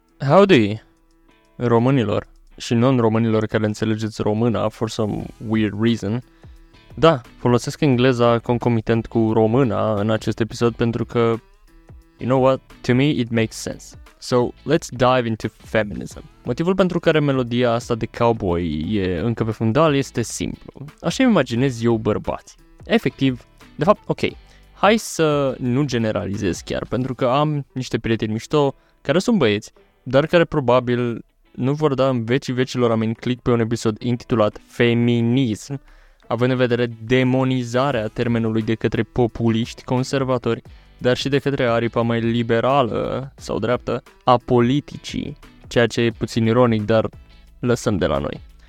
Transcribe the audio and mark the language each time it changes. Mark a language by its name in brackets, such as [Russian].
[Romanian] Howdy, românilor și non-românilor care înțelegeți română [English] for some weird reason. [Romanian] Da, folosesc engleza concomitent cu româna în acest episod pentru că, [English] you know what, to me it makes sense. So, let's dive into feminism. [Romanian] Motivul pentru care melodia asta de cowboy e încă pe fundal este simplu. Așa îmi imaginez eu bărbați. Efectiv, de fapt, ok, hai să nu generalizez chiar, pentru că am niște prieteni mișto care sunt băieți, dar care probabil nu vor da în vecii vecilor amin click pe un episod intitulat Feminism, având în vedere demonizarea termenului de către populiști conservatori, dar și de către aripa mai liberală sau dreaptă a politicii, ceea ce e puțin ironic, dar lăsăm de la noi.